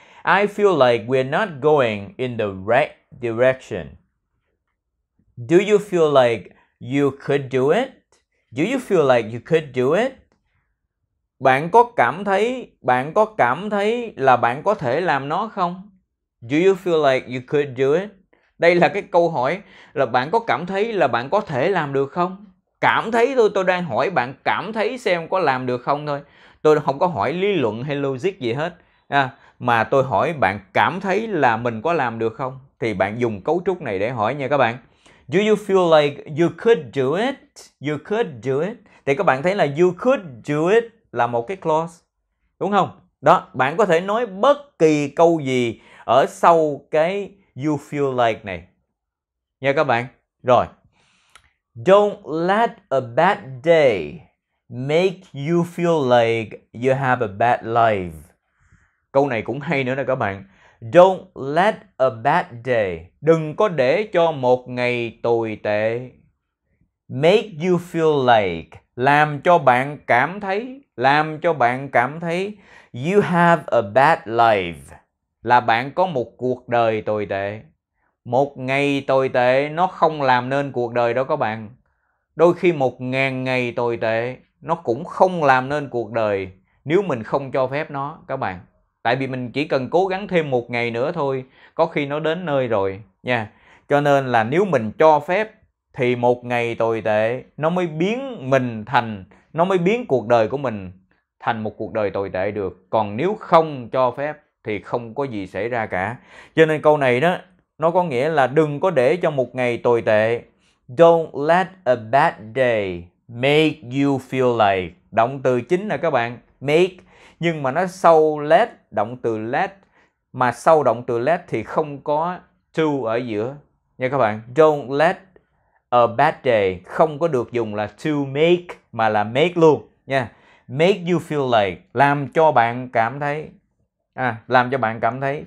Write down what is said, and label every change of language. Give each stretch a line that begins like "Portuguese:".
English: I feel like we're not going in the right direction. Do you feel like you could do it? Do you feel like you could do it?
Vietnamese: Bạn có cảm thấy là bạn có thể làm nó không?
English: Do you feel like you could do it?
Vietnamese: Đây là cái câu hỏi là bạn có cảm thấy là bạn có thể làm được không? Cảm thấy thôi, tôi đang hỏi bạn cảm thấy xem có làm được không thôi. Tôi không có hỏi lý luận hay logic gì hết. Mà tôi hỏi bạn cảm thấy là mình có làm được không? Thì bạn dùng cấu trúc này để hỏi nha các bạn.
English: Do you feel like you could do it? You could do it?
Vietnamese: Thì các bạn thấy là
English: you could do it
Vietnamese: là một cái clause. Đúng không? Đó, bạn có thể nói bất kỳ câu gì ở sau cái you feel like này. Nha các bạn. Rồi.
English: Don't let a bad day make you feel like you have a bad life.
Vietnamese: Câu này cũng hay nữa nè các bạn.
English: Don't let a bad day.
Vietnamese: Đừng có để cho một ngày tồi tệ.
English: Make you feel like.
Vietnamese: Làm cho bạn cảm thấy. Làm cho bạn cảm thấy.
English: You have a bad life.
Vietnamese: Là bạn có một cuộc đời tồi tệ. Một ngày tồi tệ nó không làm nên cuộc đời đó các bạn. Đôi khi 1000 ngày tồi tệ nó cũng không làm nên cuộc đời nếu mình không cho phép nó các bạn. Tại vì mình chỉ cần cố gắng thêm 1 ngày nữa thôi, có khi nó đến nơi rồi nha. Cho nên là nếu mình cho phép thì 1 ngày tồi tệ nó mới biến mình thành, nó mới biến cuộc đời của mình thành một cuộc đời tồi tệ được. Còn nếu không cho phép thì không có gì xảy ra cả. Cho nên câu này đó, nó có nghĩa là đừng có để cho 1 ngày tồi tệ.
English: Don't let a bad day make you feel like.
Vietnamese: Động từ chính là các bạn. Make. Nhưng mà nó sau let, động từ let. Mà sau động từ let thì không có to ở giữa. Nha các bạn.
English: Don't let a bad day.
Vietnamese: Không có được dùng là to make. Mà là make luôn. Nha.
English: Make you feel like.
Vietnamese: Làm cho bạn cảm thấy. Làm cho bạn cảm thấy.